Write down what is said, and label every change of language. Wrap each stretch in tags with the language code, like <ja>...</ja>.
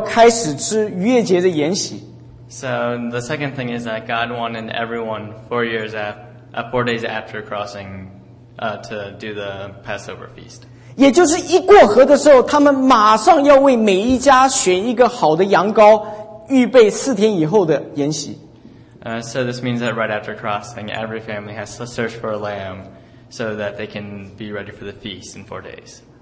<zh>好，第二件事情，他要所有以色列民在一过河的时候，过了四天要开始吃逾越节的筵席。</zh> <en>So the second thing is that God wanted everyone 4 years after, 4 days after crossing, to do the Passover feast.</en> <zh>也就是一过河的时候，他们马上要为每一家选一个好的羊羔，预备四天以后的筵席。</zh> <en>So this means that right after crossing, every family has to search for a lamb so that they can be ready for the feast in 4 days.</en>